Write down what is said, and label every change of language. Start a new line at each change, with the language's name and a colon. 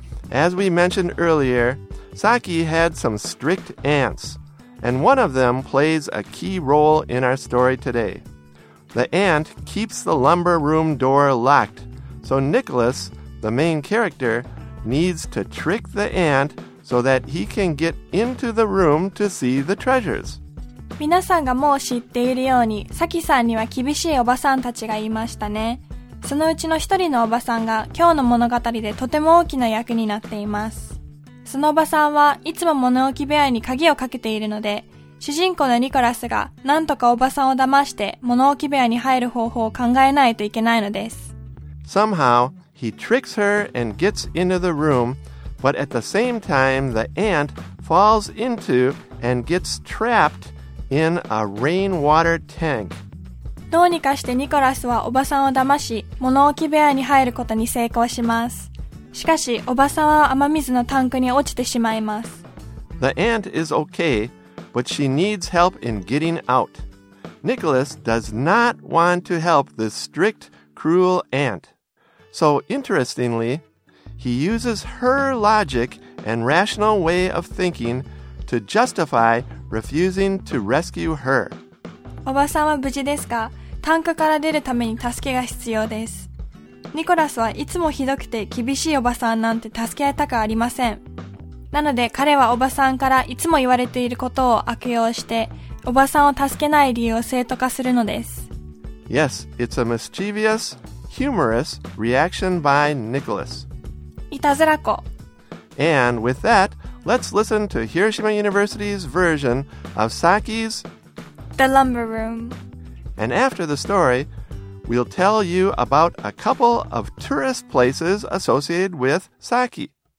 English: As we mentioned earlier, Saki had some strict aunts, and one of them plays a key role in our story today. The aunt keeps the lumber room door locked, so Nicholas, the main character, needs to trick the aunt so that he can get into the room to see the treasures.
Japanese: 皆さんがもう知っているように、サキさんには厳しいおばさんたちがいましたね。そのうちの一人のおばさんが今日の物語でとても大きな役になっています。そのおばさんはいつも物置部屋に鍵をかけているので、主人公のニコラスが何とかおばさんを騙して物置部屋に入る方法を考えないといけないのです。
English: Somehow, he tricks her and gets into the room, but at the same time, the ant falls into and gets trapped in a rainwater tank.
Japanese: どうにかしてニコラスはおばさんを騙し、物置部屋に入ることに成功します。しかし、おばさんは雨水のタンクに落ちてしまいます。
English: The ant is okay, but she needs help in getting out. Nicholas does not want to help this strict, cruel ant. So, interestingly, he uses her logic and rational way of thinking to justify refusing to rescue her.
Japanese: おばさんは無事ですか？タンクから出るために助けが必要です。ニコラスはいつもひどくて厳しいおばさんなんて助けたくありません。なので彼はおばさんからいつも言われていることを悪用して、おばさんを助けない理由を正当化するのです。
English: Yes, it's a mischievous, humorous reaction by Nicholas.
Japanese: いたずらこ。
English: And with that, let's listen to Hiroshima University's version of Saki's The Lumber Room. And after the story,We'll tell you about a couple of tourist places associated with Saki.